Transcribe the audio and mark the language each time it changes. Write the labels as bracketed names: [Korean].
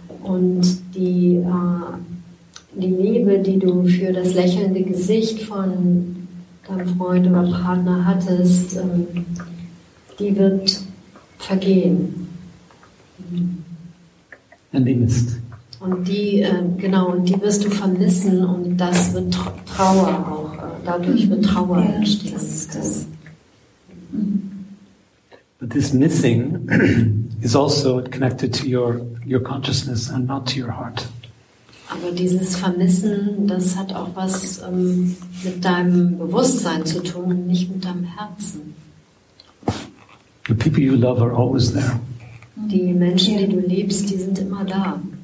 [German] Und die Liebe, die du für das lächelnde Gesicht von deinem Freund oder Partner hattest, die wird vergehen. Und die ist. Und die, genau, und die wirst du vermissen und das wird Trauer auch, dadurch wird Trauer entstehen. Das ist das. [English] But this missing is also connected to your consciousness and not to your heart. [German] Aber dieses Vermissen, das hat auch was mit deinem Bewusstsein zu tun und nicht mit deinem Herzen. [English] The people you love are always there. [German] Die Menschen, die du liebst, die sind immer da.